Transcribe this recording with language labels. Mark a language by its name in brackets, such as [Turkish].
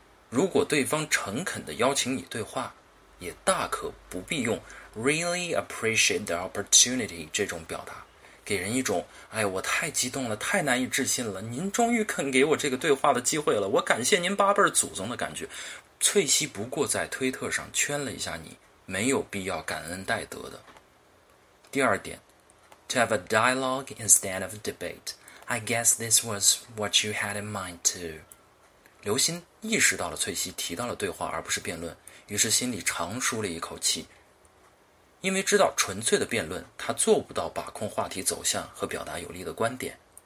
[Chinese] 如果对方诚恳地邀请你对话，也大可不必用 [English] really appreciate the opportunity [Chinese] 这种表达，给人一种，哎，我太激动了，太难以置信了，您终于肯给我这个对话的机会了，我感谢您八辈祖宗的感觉。翠西不过在推特上圈了一下你，没有必要感恩戴德的。第二点， [English] To have a dialogue instead of a debate, I guess this was what you had in mind too. [Chinese] 刘鑫意识到了翠西提到了对话而不是辩论，于是心里长舒了一口气，因为知道纯粹的辩论他做不到把控话题走向和表达有力的观点。